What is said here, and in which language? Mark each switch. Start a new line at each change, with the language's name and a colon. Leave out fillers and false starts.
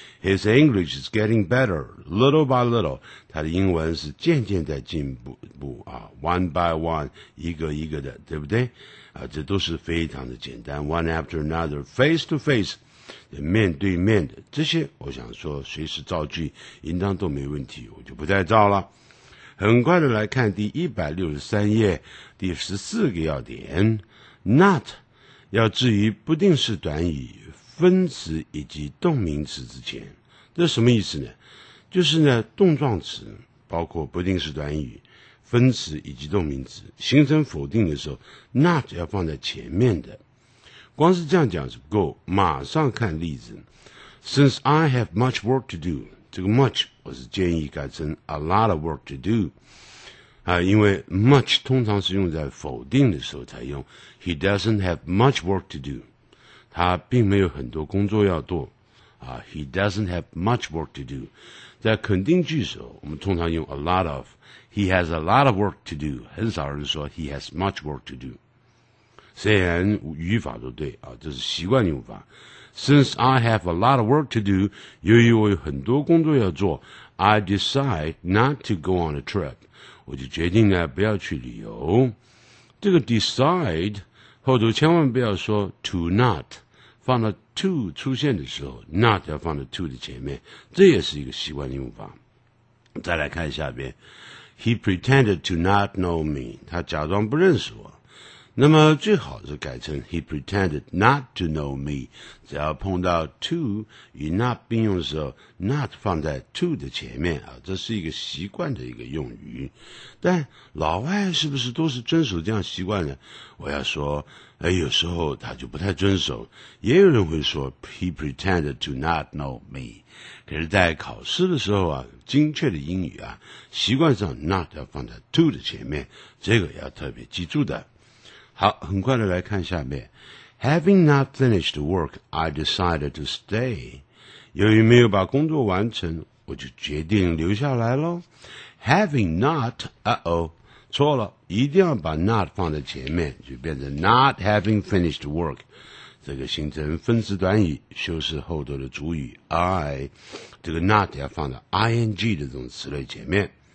English: His English is getting better, little by little.
Chinese: 他的英文是渐渐在进步啊 ，one by one， 一个一个的，对不对？啊，这都是非常的简单 ，one after another， face to face， 面对面的这些，我想说随时造句，应当都没问题，我就不再造了。很快的来看第163页第14个要点 ，not 要置于不定式短语、分词以及动名词之前。这什么意思呢？就是呢，动状词包括不定式短语。分词以及动名词形成否定的时候 ，not 要放在前面的。光是这样讲是不够。马上看例子 ，
English: Since I have much work to do，
Chinese: 这个 much 我是建议改成
English: a lot of work to do
Chinese: 啊，因为 much 通常是用在否定的时候才用。
English: He doesn't have much work to do，
Chinese: 他并没有很多工作要做啊。
English: He doesn't have much work to do。
Chinese: 在肯定句时候，我们通常用 a lot of。
English: He has a lot of work to do。
Chinese: 很少人说
English: he has much work to do。
Chinese: 虽然语法都对啊，这是习惯用法。
English: Since I have a lot of work to do，
Chinese: 由于我有很多工作要做
English: ，I decide not to go on a trip。
Chinese: 我就决定呢不要去旅游。这个 decide 后头千万不要说 to not。放到 to 出现的时候 ，not 要放到 to 的前面，这也是一个习惯的用法。再来看下边 ，
English: He pretended to not know me，
Chinese: 他假装不认识我。那么最好是改成
English: He pretended not to know me。
Chinese: 只要碰到 to 与 not 并用的时候 ，not 放在 to 的前面啊，这是一个习惯的一个用语。但老外是不是都是遵守这样习惯的？我要说。哎，有时候他就不太遵守，也有人会说
English: he pretended to not know me。
Chinese: 可是，在考试的时候啊，精确的英语啊，习惯上 not 要放在 to 的前面，这个要特别记住的。好，很快的来看下面
English: ，Having not finished work, I decided to stay。
Chinese: 由于没有把工作完成，我就决定留下来喽。 Having not, 错了，一定要把 not 放在前面，就变成
English: not having finished work，
Chinese: 这个形成分词短语，修饰后头的主语 I， 这个 not 要放在 ing 的这种词类前面。